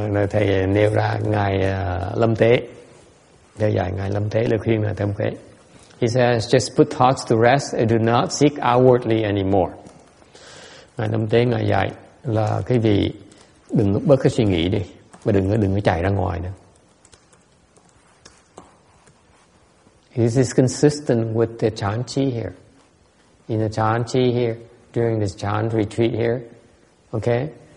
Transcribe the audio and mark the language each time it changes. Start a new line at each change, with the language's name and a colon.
Vietnamese: Thầy nêu ra ngài Lâm Tế, thầy dạy ngài Lâm Tế lời khuyên là thầm khế.
English: He says, just put thoughts to rest and do not seek outwardly anymore.
Vietnamese: Ngài Lâm Tế ngài dạy là cái gì, đừng bớt cái suy nghĩ đi và đừng có chạy ra ngoài nữa.
English: This is consistent with the Chan Chi here. In the Chan Chi here, during this Chan retreat here, okay?